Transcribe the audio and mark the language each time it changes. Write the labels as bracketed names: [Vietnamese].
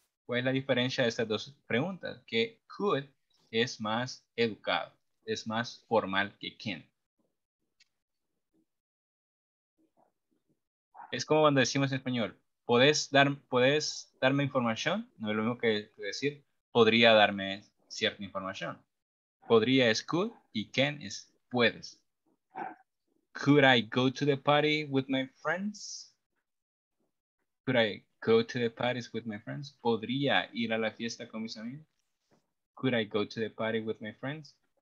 [Spanish] ¿Cuál es la diferencia de estas dos preguntas? Que could es más educado, es más formal que can. Es como cuando decimos en español, ¿puedes darme información? No es lo mismo que decir, podría darme cierta información. Podría es could y can es puedes. [English] Could I go to the party with my friends? Could I go to the parties with my friends? [Spanish] ¿Podría ir a la fiesta con mis amigos? [English] Could I go to the party with my friends?